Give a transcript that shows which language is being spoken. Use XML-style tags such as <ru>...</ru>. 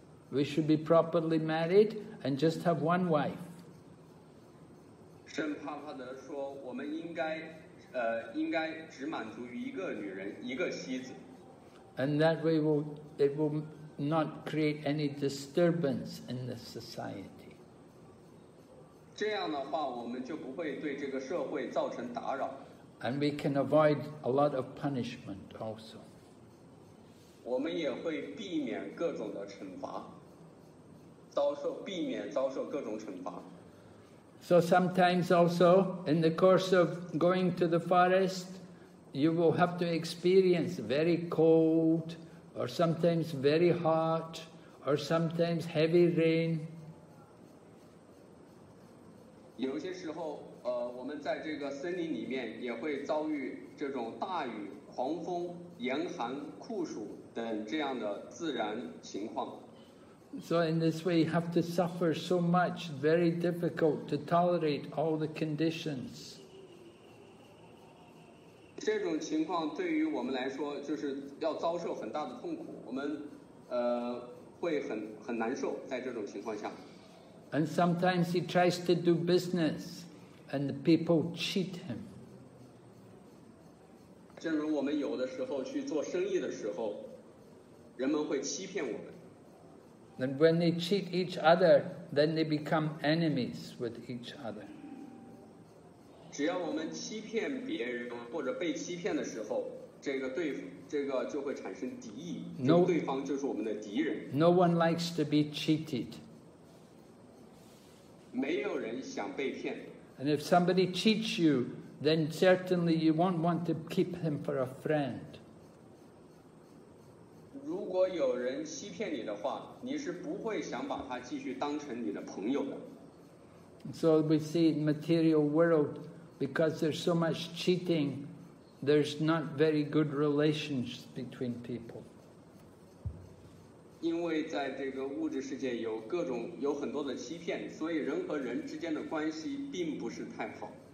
<en>We should be properly married and just have one wife.</en> <zh>圣帕帕德说，我们应该只满足于一个女人，一个妻子。</zh> <en>And that way it will not create any disturbance in the society.</en> <zh>这样的话，我们就不会对这个社会造成打扰。</zh> <en>And we can avoid a lot of punishment also. We also avoid punishment. So sometimes also, in the course of going to the forest, you will have to experience very cold, or sometimes very hot, or sometimes heavy rain.</en> <zh>有些时候我们在这个森林里面也会遭遇这种大雨、狂风、严寒、酷暑等这样的自然情况。</zh> <en>So in this way, you have to suffer so much, very difficult to tolerate all the conditions.</en> <zh>这种情况对于我们来说，就是要遭受很大的痛苦，我们会很难受在这种情况下。</zh> <en>And sometimes he tries to do business. And the people cheat him.</en> <zh>正如我们有的时候去做生意的时候，人们会欺骗我们。</zh> <en>And when they cheat each other, then they become enemies with each other.</en> <zh>只要我们欺骗别人或者被欺骗的时候，这个就会产生敌意，对方就是我们的敌人。</zh> <en>No one likes to be cheated.</en> <zh>没有人想被骗。</zh> <en>And if somebody cheats you, then certainly you won't want to keep him for a friend.</en> <zh>如果有人欺骗你的话，你是不会想把他继续当成你的朋友的。</zh> <en>So we see in the material world, because there's so much cheating, there's not very good relations between people.</en> <zh>因为在这个物质世界有很多的欺骗，所以人和人之间的关系并不是太好。</zh>